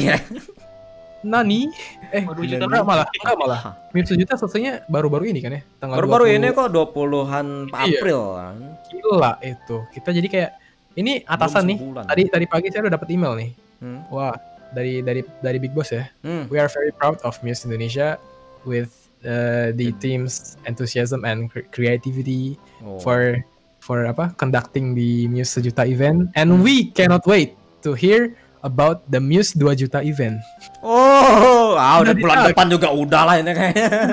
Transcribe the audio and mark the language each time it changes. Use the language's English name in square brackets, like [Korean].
[Indonesian] Iya. Nani? Eh, 2 juta berapa malah? Enggak malah. Muse sejuta selesainya baru-baru ini kan ya? Tanggal baru-baru 20. Ini kok 20-an April. Iya. Gila itu. Kita jadi kayak ini atasan nih. Tadi pagi saya udah dapat email nih. Wah, dari Big Boss ya. [English] We are very proud of Muse Indonesia with the team's enthusiasm and creativity for apa conducting the Muse Sejuta event, and we cannot wait to hear about the Muse 2 Juta event. [Indonesian] Udah bulan depan juga udahlah ini kayaknya.